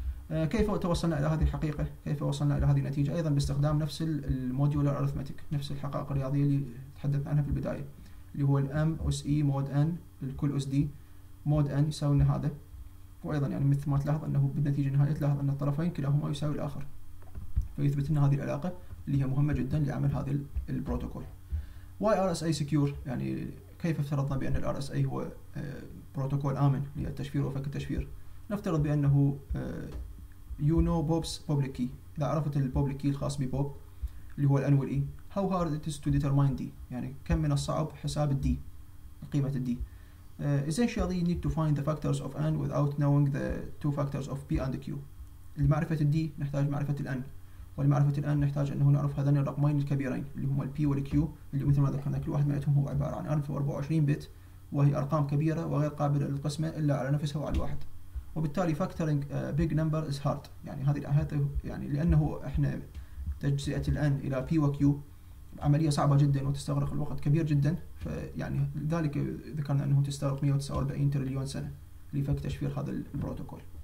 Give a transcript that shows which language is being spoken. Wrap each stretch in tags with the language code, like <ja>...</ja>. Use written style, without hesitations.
<ar>كيف توصلنا الى هذه الحقيقه؟ كيف وصلنا الى هذه النتيجه؟ ايضا باستخدام نفس الموديولر اريثمتيك، نفس الحقائق الرياضيه اللي تحدثنا عنها في البدايه، اللي هو الام اس اي مود ان الكل اس دي مود ان يساوي لنا هذا. وايضا يعني مثل ما تلاحظ انه بالنتيجه النهائيه تلاحظ ان الطرفين كلاهما يساوي الاخر، فيثبت لنا هذه العلاقه اللي هي مهمة جدا لعمل هذا البروتوكول.</ar> <en>Why RSA secure؟</en> <ar>يعني كيف افترضنا بأن الـ RSA هو بروتوكول آمن للتشفير وفك التشفير؟ نفترض بأنه</ar> <en>you know Bob's public key،</en> <ar>إذا عرفت الـ public key الخاص ببوب اللي هو الـ N والـ E،</ar> <en>how hard it is to determine D؟</en> <ar>يعني كم من الصعب حساب الـ D، قيمة الـ D؟</ar> <en>Essentially you need to find the factors of N without knowing the two factors of P and Q.</en> <ar>لمعرفة الـ D نحتاج معرفة الـ N، ولمعرفة الآن نحتاج أنه نعرف هذين الرقمين الكبيرين اللي هما الـ P والـ Q، اللي مثل ما ذكرنا كل واحد منهم هو عبارة عن 1024 بت، وهي أرقام كبيرة وغير قابلة للقسمة إلا على نفسها وعلى الواحد. وبالتالي</ar> <en>factoring a big number is hard،</en> <ar>يعني هذه يعني لأنه إحنا تجزئة الآن إلى P و Q عملية صعبة جدا وتستغرق الوقت كبير جدا، فيعني لذلك ذكرنا أنه تستغرق 149 تريليون سنة لفك تشفير هذا البروتوكول.</ar>